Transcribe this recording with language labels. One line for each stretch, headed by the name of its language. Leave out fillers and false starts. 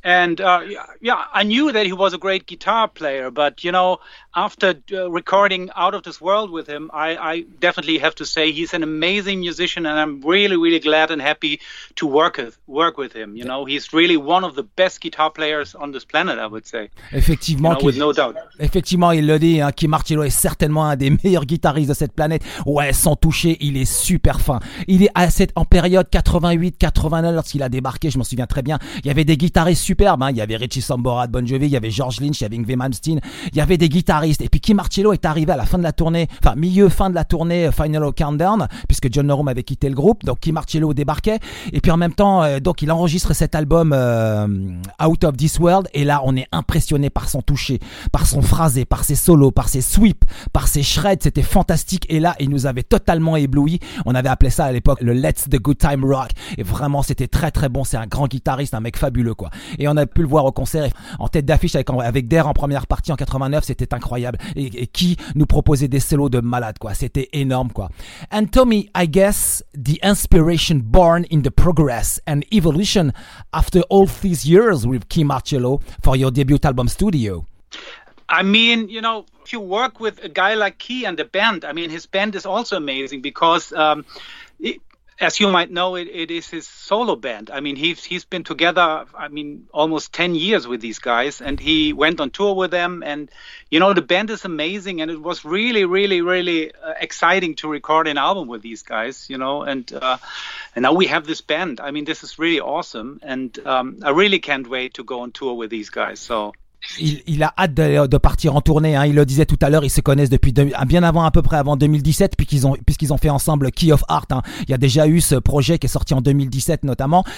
English: And I knew that he was a great guitar player, but you know, after recording Out of This World with him, I definitely have to say he's an amazing musician, and I'm really, really glad and happy to work with him. You know, he's really one of the best guitar players on this planet, I would say.
French: Effectivement,
English: you know, with no doubt.
French: Effectivement, il le dit, Kim Marcello est certainement un des meilleurs guitaristes de cette planète. Ouais, sans toucher, il est super fin. Il est en période 88-89, lorsqu'il a débarqué, je m'en souviens très bien, il y avait des guitaristes superbes. Il y avait Richie Sambora de Bon Jovi, il y avait George Lynch, il y avait Yngwie Malmsteen, il y avait des guitaristes. Et puis Kim Marcello est arrivé à la fin de la tournée, enfin milieu fin de la tournée Final Countdown, puisque John Norum avait quitté le groupe. Donc Kim Marcello débarquait. Et puis en même temps, donc il enregistre cet album Out of This World. Et là, on est impressionné par son toucher, par son phrasé, par ses solos, par ses sweeps, par ses shreds. C'était fantastique. Et là, il nous avait totalement ébloui. On avait appelé ça à l'époque le Let's the Good Time Rock. Et vraiment, c'était très très bon. C'est un grand guitariste, un mec fabuleux quoi. Et on a pu le voir au concert en tête d'affiche avec Dare en première partie en 89. C'était incroyable, et qui nous proposait des solos de malade quoi, c'était énorme quoi.
English: And Tommy, I guess the inspiration born in the progress and evolution after all these years with Kim Marcello for your debut album studio. I mean, you know, if you work with a guy like Key and the band, I mean, his band is also amazing because as you might know, it is his solo band. I mean, he's been together, I mean, almost 10 years with these guys, and he went on tour with them. And, you know, the band is amazing, and it was really, really, really exciting to record an album with these guys, you know. And now we have this band. I mean, this is really awesome, and I really can't wait to go on tour with these guys, so...
French: Il a hâte de partir en tournée. Il le disait tout à l'heure, ils se connaissent depuis bien avant, à peu près avant 2017, puisqu'ils ont fait ensemble Key of Heart. Il y a déjà eu ce projet qui est sorti en 2017 notamment.